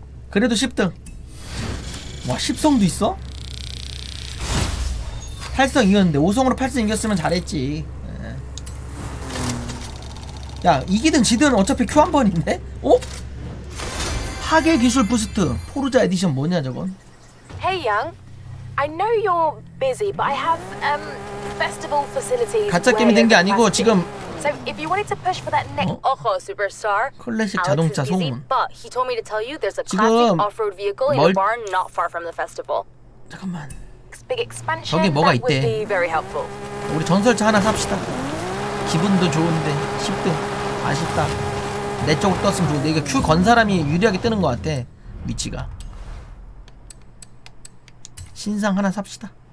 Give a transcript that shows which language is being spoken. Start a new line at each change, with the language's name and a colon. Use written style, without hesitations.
Korean: 그래도 10등. 와, 10성도 있어? 8성 이겼는데, 5성으로 8성 이겼으면 잘했지. 야, 이기든 지든 어차피 큐 한 번인데? 어? 파괴 기술 부스트. 포르자 에디션 뭐냐, 저건?
English: Hey, young. I know you're busy, but I have, festival facilities.
Korean: 가짜 게임이 된 게 아니고, 지금.
English: So if you wanted to push for that next Ojo superstar,
Korean: 클래식 자동차 소문.
English: But he told me to tell you there's a classic off-road vehicle in a barn not far from the festival.
Korean: 잠깐만. 저기 뭐가 있대? 우리 전설차 하나 삽시다. 기분도 좋은데 10등 아쉽다. 내 쪽으로 떴으면 좋은데 이거 큐 건 사람이 유리하게 뜨는 것 같아. 위치가. 신상 하나 삽시다.